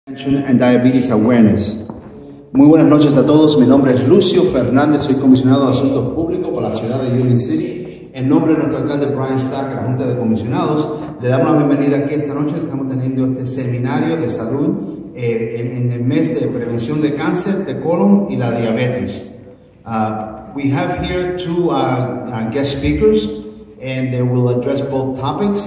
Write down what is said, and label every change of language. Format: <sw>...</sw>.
<en>Prevention and Diabetes Awareness.</en> <es>Muy buenas noches a todos. Mi nombre es Lucio Fernández. Soy comisionado de Asuntos Públicos para la ciudad de Union City. En nombre de nuestro alcalde Brian Stack y la Junta de Comisionados, le damos la bienvenida aquí esta noche. Estamos teniendo este seminario de salud en el mes de prevención de cáncer, de colon y la diabetes.</es> <en>We have here two guest speakers, and they will address both topics.</en>